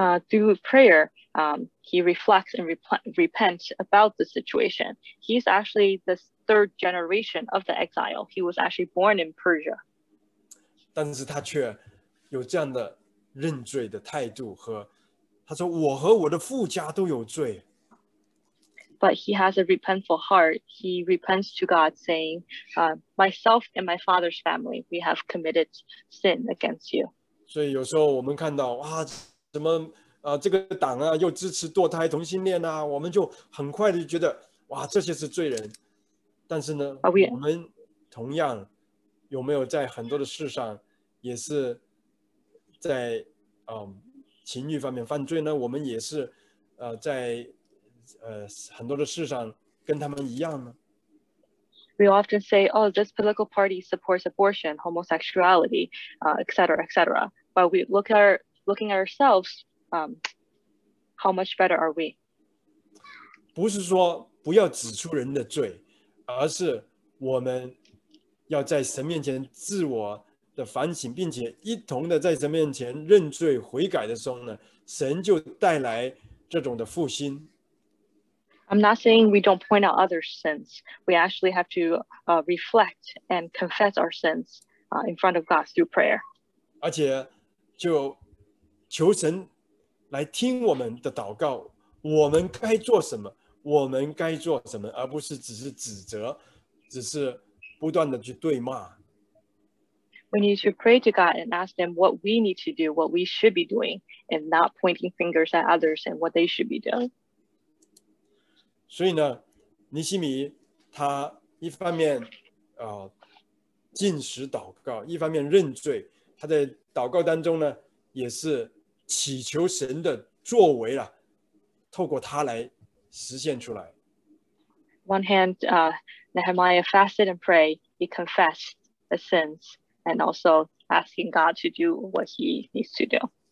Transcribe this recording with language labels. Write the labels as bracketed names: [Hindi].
[English] Through prayer, he reflects and repents about the situation. He's actually the third generation of the exile. He was actually born in Persia. [Chinese] 但是他却有这样的认罪的态度和他说：“我和我的父家都有罪。” [English] But he has a repentful heart. He repents to God, saying, myself and my father's family, we have committed sin against you. [Chinese] 所以有时候我们看到，哇，怎么，这个党啊，又支持堕胎同性恋啊，我们就很快的觉得，哇，这些是罪人。但是呢，我们同样有没有在很多的事上，也是在，情欲方面犯罪呢？我们也是，在很多的事上跟他们一样呢。 [English] We often say, "Oh, this political party supports abortion, homosexuality, etc., etc." But we looking at ourselves, how much better are we? [Chinese] 不是说不要指出人的罪，而是我们要在神面前自我的反省，并且一同的在神面前认罪悔改的时候呢，神就带来这种的复兴。 [English] I'm not saying we don't point out other sins. We actually have to reflect and confess our sins in front of God through prayer. [Chinese] 而且就求神来听我们的祷告，我们该做什么，我们该做什么，而不是只是指责，只是不断的去对骂。 [English] We need to pray to God and ask them what we need to do, what we should be doing, and not pointing fingers at others and what they should be doing. [Chinese] 所以呢，尼希米他一方面禁食祷告，一方面认罪。他在祷告当中呢，也是祈求神的作为了，透过他来实现出来。 [English] One hand, Nehemiah fasted and prayed. He confessed the sins and also asking God to do what he needs to do.